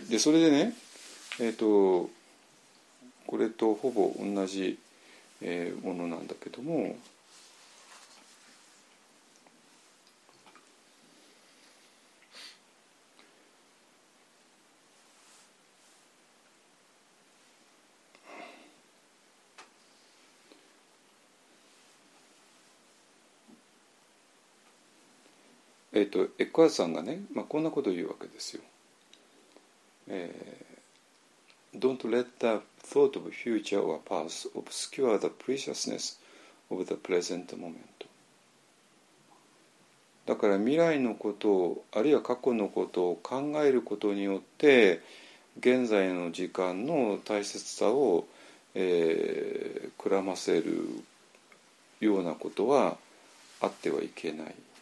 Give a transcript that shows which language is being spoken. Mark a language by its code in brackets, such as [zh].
[ja] でそれでね、これとほぼ同じものなんだけども、エクアさんがね、まあ、こんなことを言うわけですよ。 [en] Don't let the thought of future or past obscure the preciousness of the present moment. [ja] だから未来のことをあるいは過去のことを考えることによって現在の時間の大切さを、くらませるようなことはあってはいけない。